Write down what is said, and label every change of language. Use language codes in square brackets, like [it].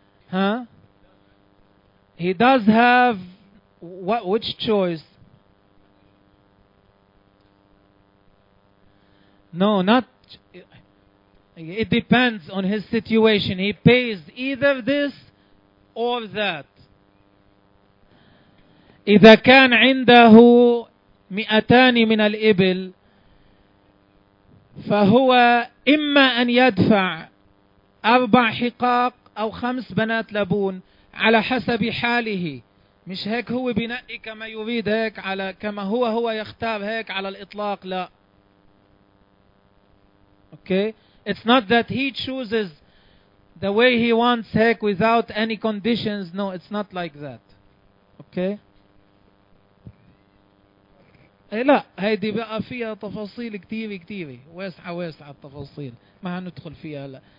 [en] Huh? He does have which choice? No, not. It depends on his situation. He pays either this or that. [ar] إذا كان عنده 200 من الإبل فهو إما أن يدفع 4 حقاق أو 5 بنات لبون على حسب حاله. مش هيك هو بنقي كما يريد هيك على كما هو يختار هيك على الإطلاق لا. [en] Okay. It's not that he chooses the way he wants heck without any conditions. No, it's not like that. Okay? [ar] Hey, لا هيدي بقى فيها تفاصيل كتير كتير واسعة واسعة التفاصيل ما هندخل فيها لا.